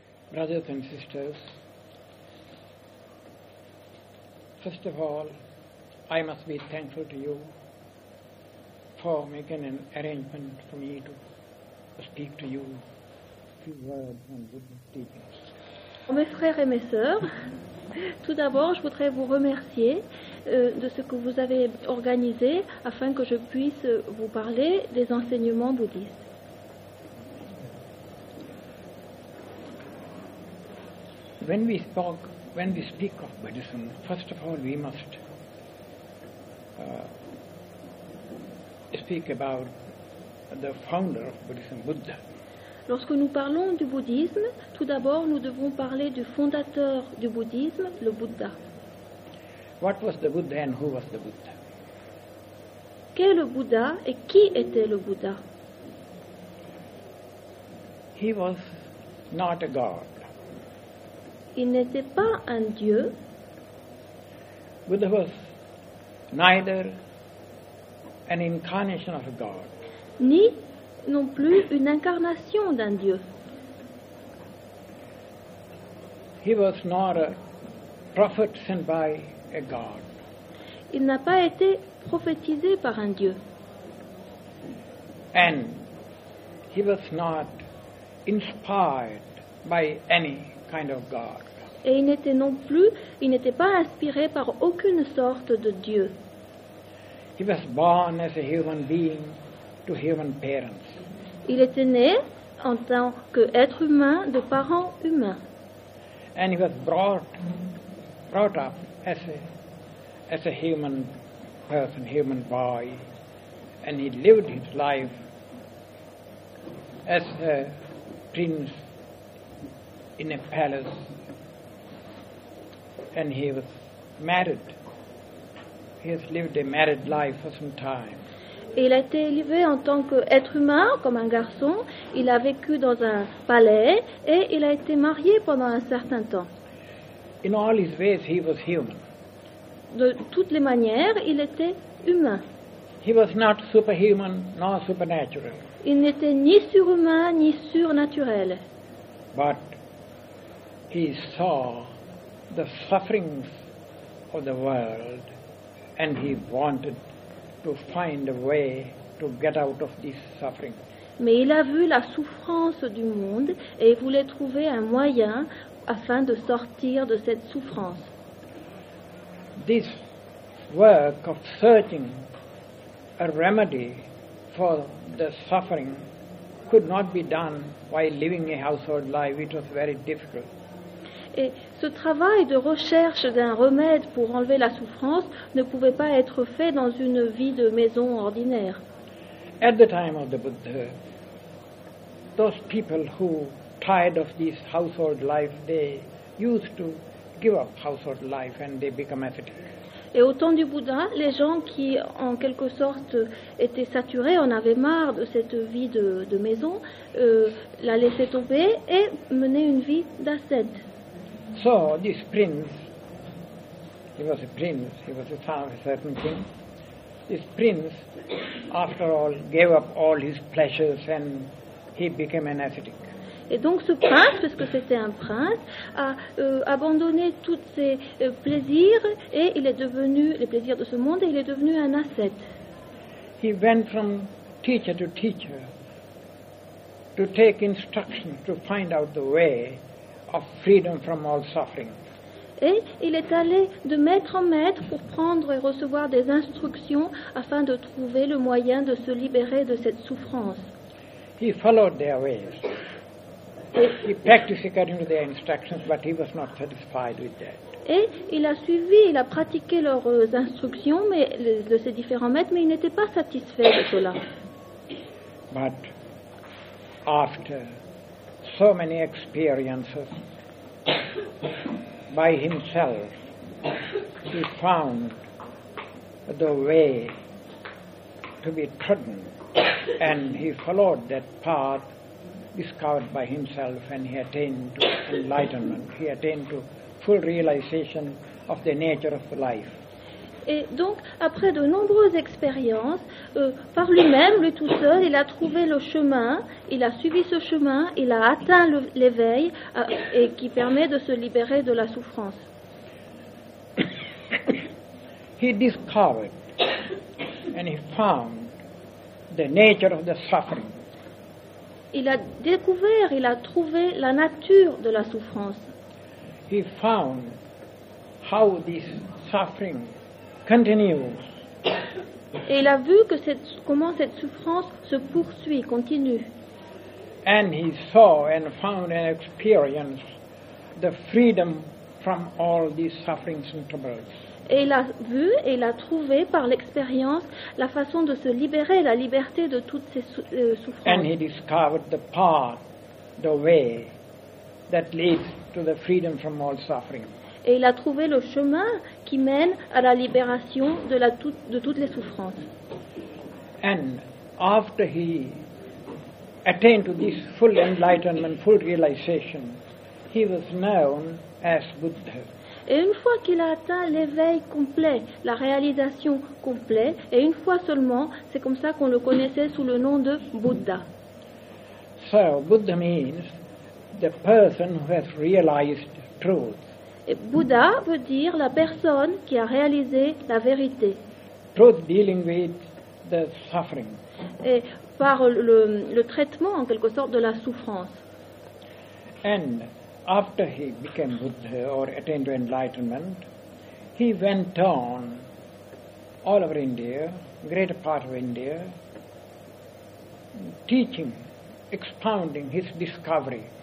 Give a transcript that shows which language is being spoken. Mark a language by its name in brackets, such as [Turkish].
[English] brothers and sisters, first of all, I must be thankful to you for making an arrangement for me to speak to you a few words on Buddhist teachings. [French] Mes frères et mes sœurs, tout d'abord, je voudrais vous remercier de ce que vous avez organisé afin que je puisse vous parler des enseignements bouddhistes. [English] When we speak of Buddhism, first of all, we must speak about the founder of Buddhism, Buddha. [French] Lorsque nous parlons du bouddhisme, tout d'abord, nous devons parler du fondateur du bouddhisme, le Bouddha. [English] What was the Buddha and who was the Buddha? [French] Qu'est le Bouddha et qui était le Bouddha? [English] He was not a god. [French] Il n'était pas un dieu. [English] Buddha was neither an incarnation of a god. [French] Ni non plus une incarnation d'un dieu. [English] He was not a prophet sent by a god. [French] Il n'a pas été prophétisé par un dieu. [English] And he was not inspired by any kind of god. [French] Et il n'était pas inspiré par aucune sorte de dieu. [English] He was born as a human being to human parents. [French] Il était né en tant qu'être humain de parents humains. [English] And he was brought up as a human person, human boy, and he lived his life as a prince in a palace, and he was married. He has lived a married life for some time. [French] Et il a été élevé en tant qu'être humain, comme un garçon. Il a vécu dans un palais et il a été marié pendant un certain temps. [English] In all his ways, he was human. [French] De toutes les manières, il était humain. [English] He was not superhuman, nor supernatural. [French] Il n'était ni surhumain ni surnaturel. [English] But he saw the sufferings of the world and he wanted to find a way to get out of this suffering. [French] Mais il a vu la souffrance du monde et il voulait trouver un moyen afin de sortir de cette souffrance. [English] This work of searching a remedy for the suffering could not be done while living a household life. It was very difficult. [French] Et ce travail de recherche d'un remède pour enlever la souffrance ne pouvait pas être fait dans une vie de maison ordinaire. [English] At the time of the Buddha, those people who tired of this household life, they used to give up household life and they become ascetic. [French] Et au temps du Bouddha, les gens qui, en quelque sorte, étaient saturés, en avaient marre de cette vie de maison, la laissaient tomber et menaient une vie d'ascète. [English] So this prince, he was a prince, he was a son of a certain king. This prince, after all, gave up all his pleasures and he became an ascetic. [French] Et donc ce prince, parce que c'était un prince, a abandonné tous ses plaisirs et il est devenu, les plaisirs de ce monde, et il est devenu un ascète. [English] He went from teacher to teacher to take instructions to find out the way of freedom from all suffering. [French] Et il est allé de maître en maître pour prendre et recevoir des instructions afin de trouver le moyen de se libérer de cette souffrance. [English] He followed their ways. He practiced according to their instructions, but he was not satisfied with that. [French] Et il a suivi, il a pratiqué leurs instructions, mais de ces différents maîtres, mais il n'était pas satisfait de cela. [English] But after so many experiences by himself, he found the way to be trodden, and he followed that path discovered by himself, and he attained to enlightenment. He attained to full realization of the nature of life. [French] Et donc, après de nombreuses expériences, par lui-même, lui tout seul, il a trouvé le chemin, il a suivi ce chemin, il a atteint l'éveil et qui permet de se libérer de la souffrance. [English] He discovered and he found the nature of the suffering. [French] Il a découvert, il a trouvé la nature de la souffrance. [English] He found how this suffering continues. [French] Et il a vu que comment cette souffrance se poursuit, continue. [English] And he saw and found and experienced the freedom from all these sufferings and troubles. [French] Et il a vu et il a trouvé par l'expérience la façon de se libérer, la liberté de toutes ces souffrances. [English] And he discovered the path, the way that leads to the freedom from all suffering. [French] Et il a trouvé le chemin qui mène à la libération de toutes les souffrances. [English] And after he attained to this full enlightenment, full realization, he was known as Buddha. [French] Et une fois qu'il a atteint l'éveil complet, la réalisation complète, et une fois seulement, c'est comme ça qu'on le connaissait sous le nom de Bouddha. [English] So Buddha means the person who has realized truth. [French] Et Bouddha veut dire la personne qui a réalisé la vérité. [English] Truth dealing with the suffering. [French] Et par le traitement en quelque sorte de la souffrance. [English] And after he became Buddha or attained to enlightenment, he went on all over India, greater part of India, teaching, expounding his discovery.